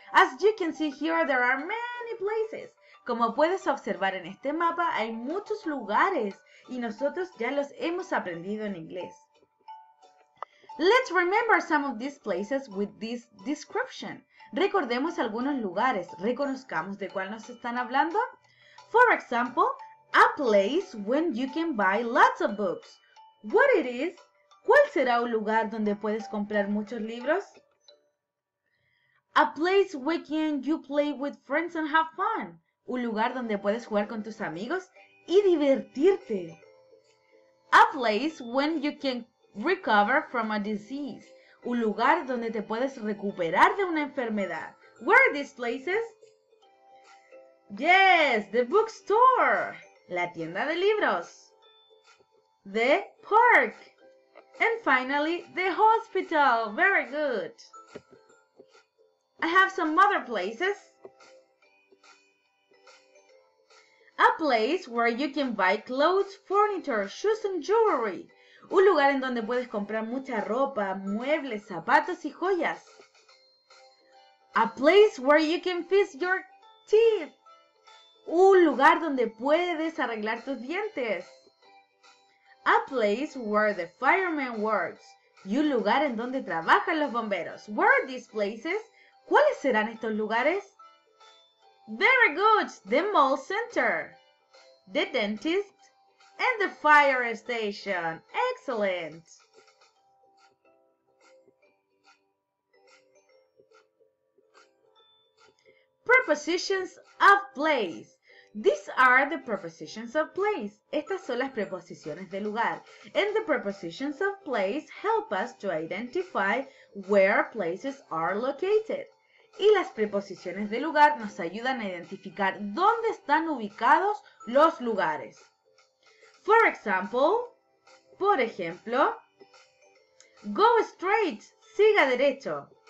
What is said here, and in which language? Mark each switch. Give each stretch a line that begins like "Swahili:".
English: As you can see here, there are many places.
Spanish: Como puedes observar en este mapa, hay muchos lugares y nosotros ya los hemos aprendido en inglés.
English: Let's remember some of these places with this description.
Spanish: Recordemos algunos lugares. Reconozcamos de cuál nos están hablando.
English: For example, a place when you can buy lots of books. What it is?
Spanish: ¿Cuál será un lugar donde puedes comprar muchos libros?
English: A place where can you play with friends and have fun.
Spanish: Un lugar donde puedes jugar con tus amigos y divertirte.
English: A place when you can recover from a disease.
Spanish: Un lugar donde te puedes recuperar de una enfermedad.
English: Where are these places? Yes, the bookstore.
Spanish: La tienda de libros.
English: The park. And finally, the hospital. Very good. I have some other places. A place where you can buy clothes, furniture, shoes and jewelry.
Spanish: Un lugar en donde puedes comprar mucha ropa, muebles, zapatos y joyas.
English: A place where you can fix your teeth.
Spanish: Un lugar donde puedes arreglar tus dientes.
English: A place where the firemen works.
Spanish: Y un lugar en donde trabajan los bomberos.
English: Where are these places?
Spanish: ¿Cuáles serán estos lugares?
English: Very good! The mall center, the dentist, and the fire station. Excellent! Prepositions of place. These are the prepositions of place.
Spanish: Estas son las preposiciones de lugar.
English: And the prepositions of place help us to identify where places are located.
Spanish: Y las preposiciones de lugar nos ayudan a identificar dónde están ubicados los lugares.
English: For example,
Spanish: por ejemplo,
English: go straight,
Spanish: siga derecho.